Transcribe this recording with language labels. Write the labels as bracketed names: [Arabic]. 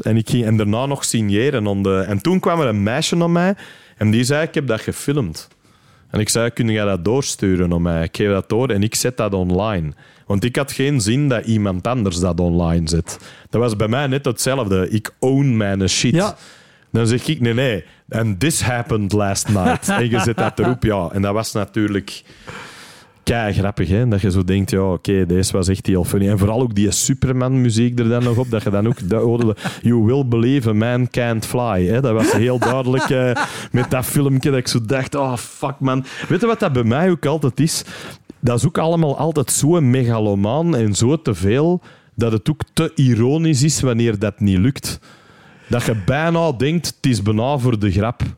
[Dutch] En ik ging en daarna nog signeren. En toen kwam er een meisje naar mij en die zei, ik heb dat gefilmd. En ik zei, kun jij dat doorsturen naar mij? Ik geef dat door en ik zet dat online. Want ik had geen zin dat iemand anders dat online zet. Dat was bij mij net hetzelfde. Ik own mijn shit. Ja. Dan zeg ik, nee, [English] and this happened last night. [Dutch] En je zet dat erop, ja. En dat was natuurlijk kei grappig, hè. Dat je zo denkt, ja, oké, deze was echt heel funny. En vooral ook die Superman-muziek er dan nog op, dat je dan ook... [English] You will believe a man can't fly, hè. [Dutch] Dat was heel duidelijk met dat filmpje, dat ik zo dacht, oh, fuck, man. Weet je wat dat bij mij ook altijd is? Dat is ook allemaal altijd zo megalomaan en zo te veel, dat het ook te ironisch is wanneer dat niet lukt. Dat je bijna denkt, het is bijna voor de grap.